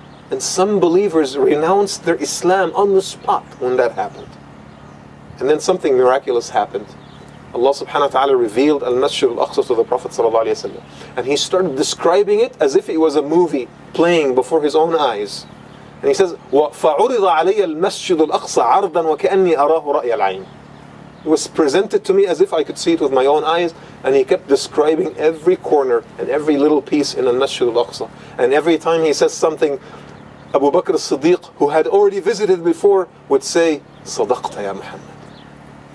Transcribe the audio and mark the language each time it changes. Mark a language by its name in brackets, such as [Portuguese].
[English] And some believers renounced their Islam on the spot when that happened. And then something miraculous happened. Allah subhanahu wa ta'ala revealed Al-Masjid Al-Aqsa to the Prophet sallallahu alayhi wa sallam. And he started describing it as if it was a movie playing before his own eyes. And he says, [Arabic] وَفَعُرِضَ عَلَيَّ الْمَسْجِدُ الْأَقْصَى عَرْضًا وَكَأَنِّي أَرَاهُ رَأْيَ الْعَيْنِ. [English] It was presented to me as if I could see it with my own eyes. And he kept describing every corner and every little piece in Al-Masjid Al-Aqsa. And every time he says something, Abu Bakr as-Siddiq, who had already visited before, would say, [Arabic] صَدَقْتَ يَا مُحَمَّد.